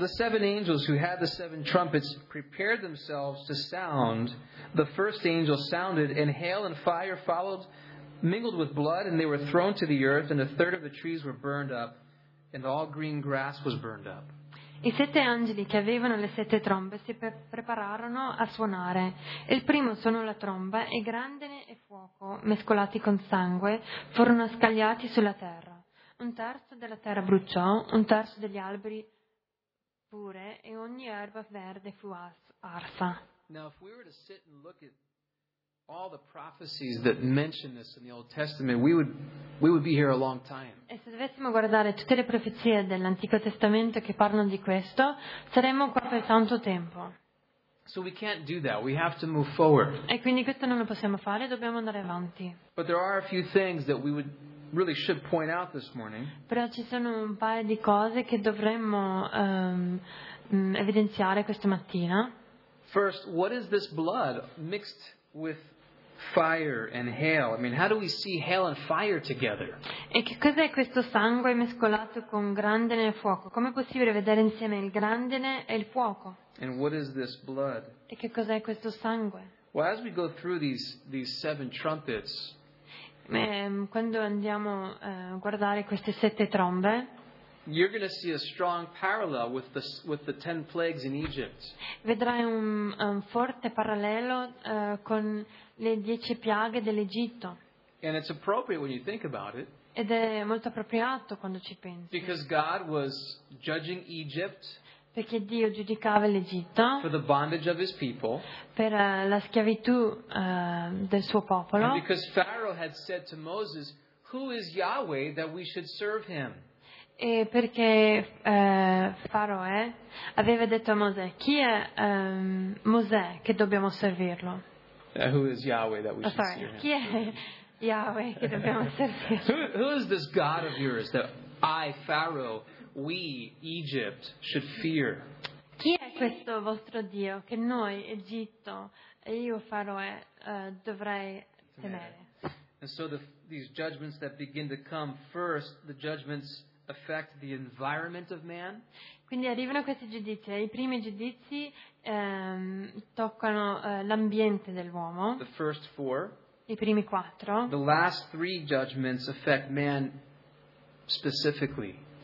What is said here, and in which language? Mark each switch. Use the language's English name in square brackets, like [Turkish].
[English] So the seven angels who had the seven trumpets prepared themselves to sound. The first angel sounded, and hail and fire followed, mingled with blood, and they were thrown to the earth, and a third of the trees were burned up, and all green grass was burned up. [Italian] I sette angeli che avevano le sette trombe si prepararono a suonare. Il primo suonò la tromba, e grandine e fuoco, mescolati con sangue, furono scagliati sulla terra. Un terzo della terra bruciò, un terzo degli alberi pure, e ogni erba verde fu arsa. [English] Now, if we were to sit and look at all the prophecies that mention this in the Old Testament, we would be here a long time. [Italian] E se dovessimo guardare tutte le profezie dell'Antico Testamento che parlano di questo, saremmo qua per tanto tempo. [English] So we can't do that. We have to move forward. [Italian] E quindi questo non lo possiamo fare, dobbiamo andare avanti. [English] But there are a few things that we would really should point out this morning. [Italian] Però ci sono un paio di cose che dovremmo evidenziare questa mattina. [English] First, what is this blood mixed with fire and hail? I mean, how do we see hail and fire together? [Italian] E che cos'è questo sangue mescolato con grandine e fuoco? Come è possibile vedere insieme il grandine e il fuoco? [English] And what is this blood? [Italian] E che cos'è questo sangue? [English] Well, as we go through these seven trumpets, [Italian] quando andiamo a guardare queste sette trombe, [English] you're going to see a strong parallel with the 10 plagues in Egypt. [Italian] Vedrai un forte parallelo con le 10 piaghe dell'Egitto. [English] And it's appropriate when you think about it. [Italian] Ed è molto appropriato quando ci pensi. [English] Because God was judging Egypt. [Italian] Perché Dio giudicava l'Egitto. [English] For the bondage of his people. [Italian] Per la schiavitù del suo popolo. [English] And because Pharaoh had said to Moses, "Who is Yahweh that we should serve him?" [Italian] E perché Faraone aveva detto a Mosè, chi è Mosè che dobbiamo servirlo? [English] Who is Yahweh that we should serve? [Italian] Chi è Yahweh che dobbiamo servirlo? [English] Who is this God of yours that I, Pharaoh, we, Egypt, should fear? [Italian] Chi è questo vostro Dio che noi, Egitto, e io, Faraone, dovrei temere? [English] And so these judgments that begin to come, first, the judgments affect the environment of man. [Italian] Quindi arrivano questi giudizi. I primi giudizi toccano l'ambiente dell'uomo. [English] The first four. [Italian] I primi quattro. [English] The last three judgments affect man specifically.